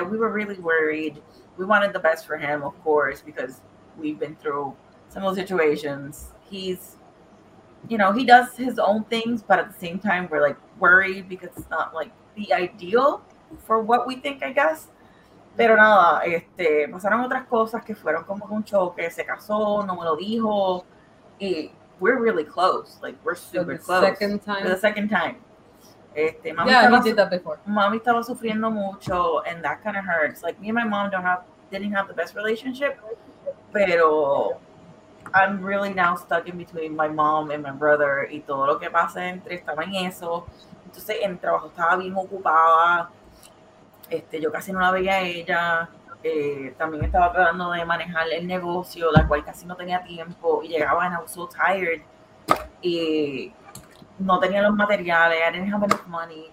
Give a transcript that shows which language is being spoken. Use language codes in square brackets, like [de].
[en] We were really worried. We wanted the best for him, of course, because we've been through similar situations. He's, you know, he does his own things, but at the same time, we're like worried because it's not like the ideal for what we think, I guess. [es] Pero nada, pasaron otras cosas que fueron como un choque. Se casó, no me lo dijo. Y we're really close. [en] Like, we're super close. For the second time. Mami, he did that before. Mami estaba sufriendo mucho, and that kind of hurts. Like, me and my mom didn't have the best relationship. Pero I'm really now stuck in between my mom and my brother. [es] Y todo lo que pasa entre estaba en eso. Entonces, en trabajo estaba bien ocupada. Yo casi no la veía a ella. También estaba tratando de manejar el negocio, la cual casi no tenía tiempo. [en] Y llegaba, and I was so tired. Y no tenía los materiales. I didn't have enough money.